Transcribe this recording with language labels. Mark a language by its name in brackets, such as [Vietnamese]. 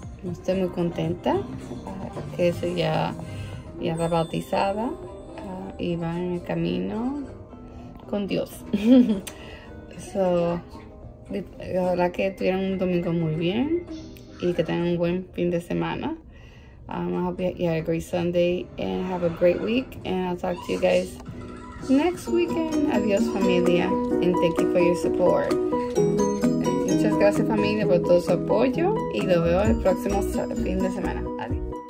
[Spanish] Estoy muy contenta que ella ya está bautizada y va en el camino con Dios. So, la verdad que tuvieron un domingo muy bien y que tengan un buen fin de semana. [English] I hope you had a great Sunday and have a great week. And I'll talk to you guys next weekend. [Spanish] Adios, familia. [English] And thank you for your support. [Spanish] Muchas gracias, familia, por todo su apoyo. Y lo veo el próximo fin de semana. Adiós.